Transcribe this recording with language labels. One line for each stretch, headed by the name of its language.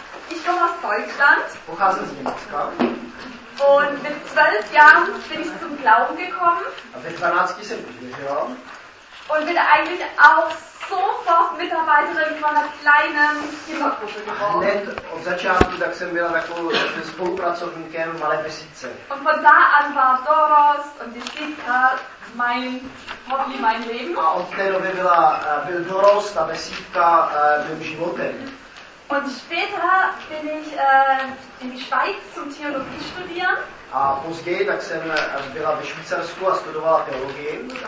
German: Ich komme aus Deutschland. Wo kamen Sie aus? Und mit 12 Jahren bin ich zum Glauben gekommen. Aber mit 12 Jahren bin ich gekommen. Und bin eigentlich auch sofort Mitarbeiterin von einer kleinen Kindergruppe geworden.
Czech: Od začátku tak jsem byla takovou spolupracovníkem malé vesnice.
German: Und von da an war Doros und die Sitka mein Hobby, mein Leben.
Czech: A od té doby byla, byl Doros, ta vesnička mým životem.
German: Und später bin ich in die Schweiz zum Theologie studieren.
Czech: A později tak jsem byla ve Švýcarsku a studovala teologii.